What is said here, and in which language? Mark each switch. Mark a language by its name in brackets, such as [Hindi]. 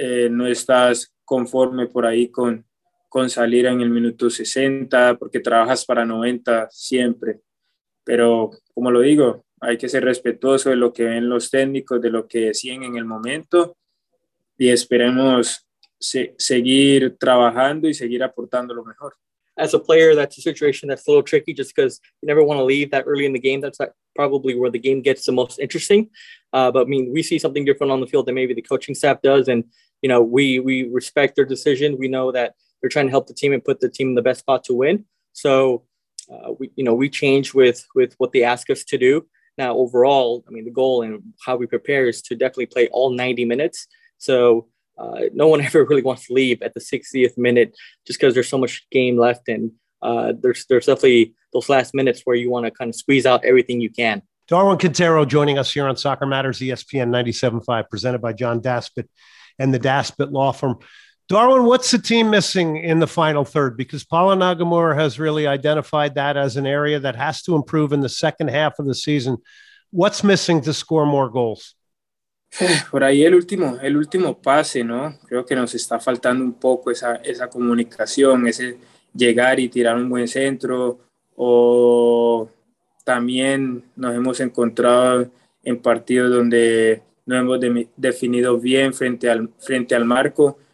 [Spanish] No estás conforme por ahí con salir en el minuto 60, porque trabajas para 90 siempre. Pero, como lo digo, hay que ser respetuoso de lo que ven los técnicos, de lo que deciden en el momento, y esperemos seguir trabajando y seguir aportando lo mejor. [English] as a player, that's a situation that's a little tricky just because you never want to leave that early in the game. That's probably where the game gets the most interesting. But I mean, we see something different on the field than maybe the coaching staff does. And, you know, we respect their decision. We know that they're trying to help the team and put the team in the best spot to win. So, we change with what they ask us to do. Now, overall, I mean, the goal and how we prepare is to definitely play all 90 minutes. So no one ever really wants to leave at the 60th minute just because there's so much game left. And there's definitely those last minutes where you want to kind of squeeze out everything you can. Darwin Quintero joining us here on Soccer Matters, ESPN 97.5, presented by John Daspit and the Daspit Law Firm. Darwin, what's the team missing in the final third? Because Paulo Nagamura has really identified that as an area that has to improve in the second half of the season. What's missing to score more goals? [Spanish] Por ahí el último pase, ¿no? Creo que nos está faltando un poco esa comunicación, ese llegar y tirar un buen centro. O también nos hemos encontrado en partidos donde no hemos definido bien frente al marco.